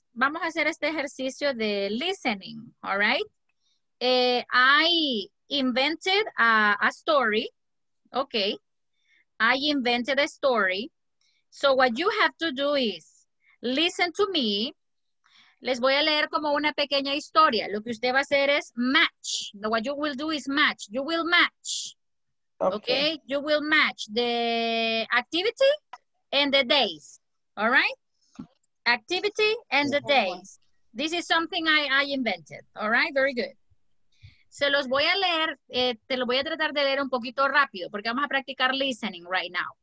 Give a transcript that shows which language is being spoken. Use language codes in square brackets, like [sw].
[es] Vamos a hacer este ejercicio de listening. [en] All right, I invented a story. Okay, I invented a story. So what you have to do is listen to me. [es] Les voy a leer como una pequeña historia. Lo que usted va a hacer es match. [en] What you will do is match. You will match. Okay. Okay? You will match the activity and the days. All right? Activity and the days. This is something I invented. All right? Very good. [es] Se los voy a leer. Te lo voy a tratar de leer un poquito rápido porque vamos a practicar listening [en] right now.